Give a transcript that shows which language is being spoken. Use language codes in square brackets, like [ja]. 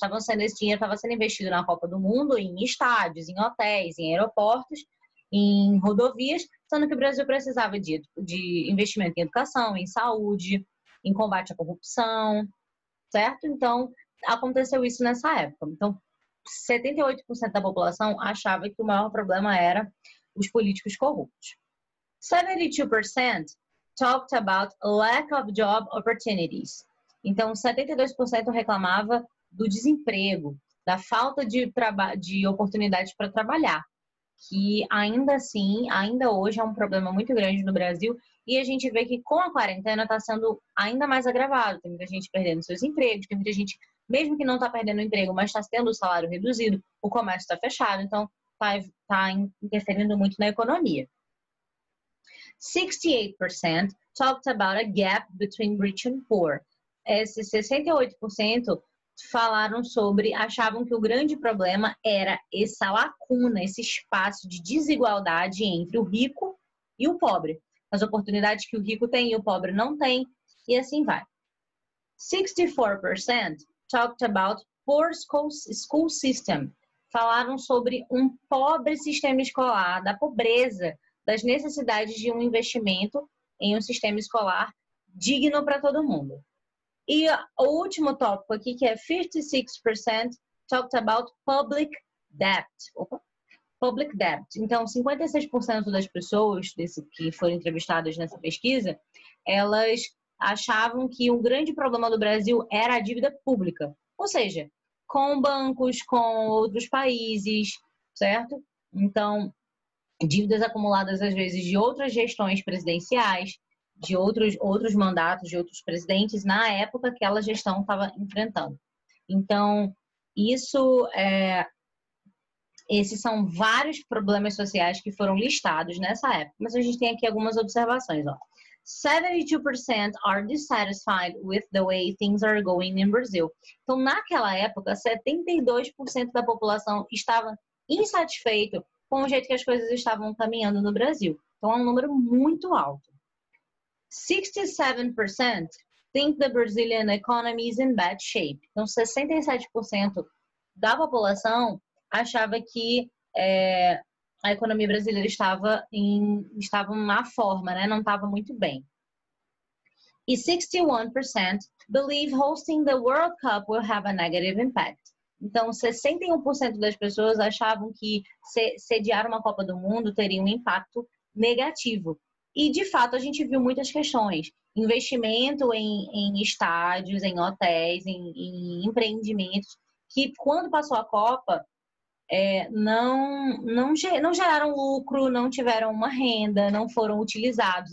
[pt] Esse dinheiro estava sendo investido na Copa do Mundo, em estádios, em hotéis, em aeroportos, em rodovias, sendo que o Brasil precisava de investimento em educação, em saúde, em combate à corrupção, certo? Então, aconteceu isso nessa época. Então, 78% da população achava que o maior problema era os políticos corruptos. [en] 72% talked about lack of job opportunities. [pt] Então, 72% reclamava do desemprego, da falta de oportunidades para trabalhar, que ainda assim, ainda hoje é um problema muito grande no Brasil, e a gente vê que com a quarentena está sendo ainda mais agravado. Tem muita gente perdendo seus empregos, tem muita gente, mesmo que não está perdendo o emprego, mas está tendo o salário reduzido, o comércio está fechado, então está interferindo muito na economia. [en] 68% talked about a gap between rich and poor. [pt] Esses 68% falaram sobre, achavam que o grande problema era essa lacuna, esse espaço de desigualdade entre o rico e o pobre. As oportunidades que o rico tem e o pobre não tem, e assim vai. [en] 64% talked about poor school system. [pt] Falaram sobre um pobre sistema escolar, da pobreza, das necessidades de um investimento em um sistema escolar digno para todo mundo. E o último tópico aqui, que é [en] 56% talked about public debt. Opa. Public debt. [pt] Então, 56% das pessoas que foram entrevistadas nessa pesquisa, elas achavam que um grande problema do Brasil era a dívida pública. Ou seja, com bancos, com outros países, certo? Então, dívidas acumuladas, às vezes, de outras gestões presidenciais, de outros mandatos de outros presidentes na época que aquela gestão estava enfrentando. Então, esses são vários problemas sociais que foram listados nessa época. Mas a gente tem aqui algumas observações, ó. [en] 72% are dissatisfied with the way things are going in Brazil. [pt] Então, naquela época, 72% da população estava insatisfeito com o jeito que as coisas estavam caminhando no Brasil. Então, é um número muito alto. [en] 67% think the Brazilian economy is in bad shape. [pt] Então, 67% da população achava que a economia brasileira estava em má forma, né? Não estava muito bem. [en] E 61% believe hosting the World Cup will have a negative impact. [pt] Então, 61% das pessoas achavam que sediar uma Copa do Mundo teria um impacto negativo. E, de fato, a gente viu muitas questões. Investimento em estádios, em hotéis, em empreendimentos, que quando passou a Copa, não geraram lucro, não tiveram uma renda, não foram utilizados.